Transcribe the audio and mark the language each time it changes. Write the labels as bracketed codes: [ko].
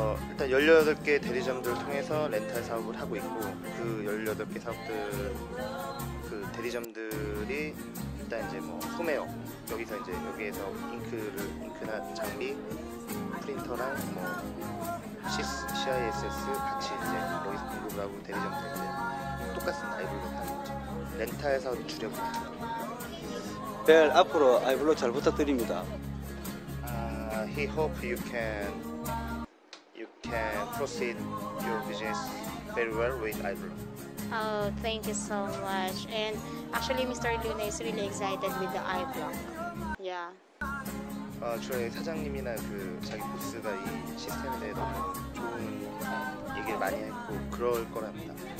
[ko] 일단 18개 대리점들을 통해서 렌탈 사업을 하고 있고 그 18개 사업들 그 대리점들이 일단 이제 뭐 소매업 여기서 이제 여기에서 잉크를 잉크나 장비 프린터랑 뭐 CISS 같이 이제 여기서 공급을 하고 대리점들 이제 똑같은 아이블록 하는 거죠. 렌탈 사업 주력입니다. 벨 앞으로 아이블록 잘 부탁드립니다. [en] He hope you can proceed your business very well with iBlock. Oh, thank you so much. And actually, Mr. Luna is really excited with the iBlock. Yeah. [ko] 저희 사장님이나 그 자기 보스가 이 시스템에 대해 너무 좋은 얘기를 많이 했고 그럴 거랍니다.